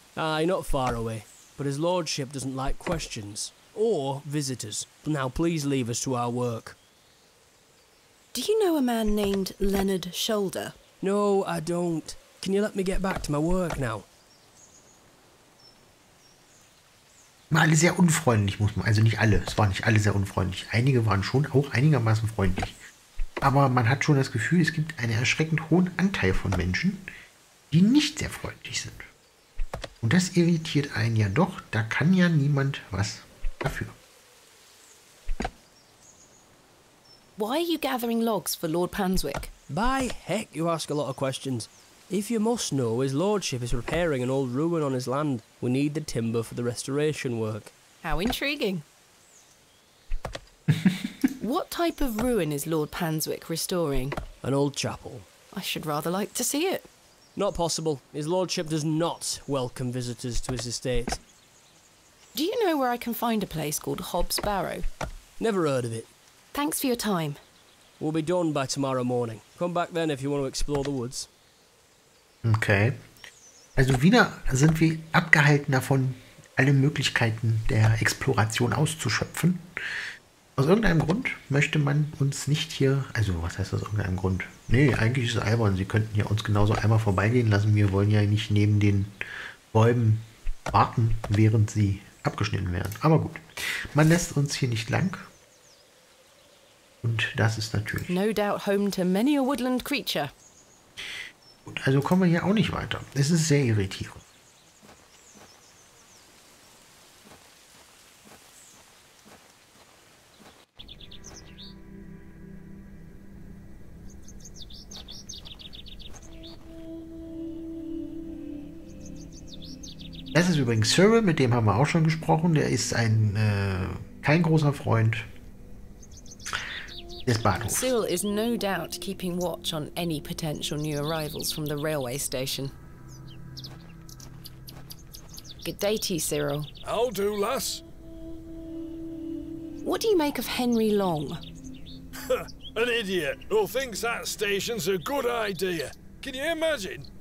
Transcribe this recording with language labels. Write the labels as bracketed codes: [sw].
[en] Aye, not far away. But his lordship doesn't like questions or visitors. Now please leave us to our work. Do you know a man named Leonard Shoulder? No, I don't. Can you let me get back to my work now? [de] Alle sehr unfreundlich, muss man. Also nicht alle. Es waren nicht alle sehr unfreundlich. Einige waren schon auch einigermaßen freundlich. Aber man hat schon das Gefühl, es gibt einen erschreckend hohen Anteil von Menschen, die nicht sehr freundlich sind. Und das irritiert einen ja doch. Da kann ja niemand was dafür. [en] Why are you gathering logs for Lord Panswick? By heck, you ask a lot of questions. If you must know, his lordship is repairing an old ruin on his land. We need the timber for the restoration work. How intriguing. What type of ruin is Lord Panswick restoring? An old chapel. I should rather like to see it. Not possible. His lordship does not welcome visitors to his estate. Do you know where I can find a place called Hobbs Barrow? Never heard of it. Thanks for your time. We'll be done by tomorrow morning. Come back then if you want to explore the woods. Okay. [de] Also wieder sind wir abgehalten davon, alle Möglichkeiten der Exploration auszuschöpfen. Aus irgendeinem Grund möchte man uns nicht hier... Also was heißt aus irgendeinem Grund? Nee, eigentlich ist es albern. Sie könnten ja uns genauso einmal vorbeigehen lassen. Wir wollen ja nicht neben den Bäumen warten, während sie abgeschnitten werden. Aber gut. Man lässt uns hier nicht lang. Und das ist natürlich... [en] No doubt home to many a woodland creature. [de] Gut, also kommen wir hier auch nicht weiter. Es ist sehr irritierend. Das ist übrigens Cyril, mit dem haben wir auch schon gesprochen. Der ist ein kein großer Freund des Bahnhofs. [en] Cyril is no doubt keeping watch on any potential new arrivals from the railway station. Good day to you, Cyril. I'll do, lass. What do you make of Henry Long? An idiot who thinks that station's a good idea. Can you imagine?